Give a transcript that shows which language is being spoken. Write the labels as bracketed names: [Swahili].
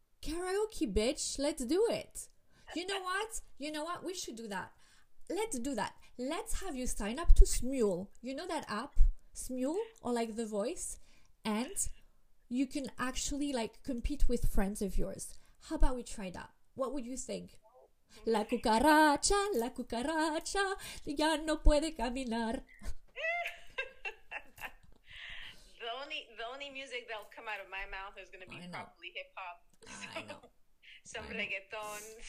[English] Karaoke, bitch. Let's do it. You know what? You know what? We should do that. Let's do that. Let's have you sign up to Smule. You know that app? Smule, or like The Voice, and you can actually like compete with friends of yours. How about we try that? What would you think? [Spanish] La cucaracha, la cucaracha, ya no puede caminar. [English] The only music that'll come out of my mouth is gonna be probably hip hop. Some reggaeton.